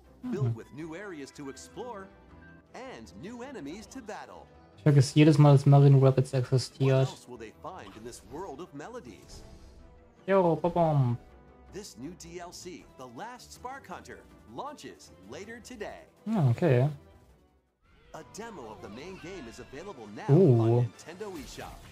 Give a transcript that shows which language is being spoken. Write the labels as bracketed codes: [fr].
[en] Built with new areas to explore and new enemies to battle. [de] Ich vergesse jedes Mal, dass Mario & Rabbids existiert. [en] What else will they find in this world of melodies? Yo, ba-bom. This new DLC, The Last Spark Hunter, launches later today. Okay. A demo of the main game is available now on Nintendo eShop.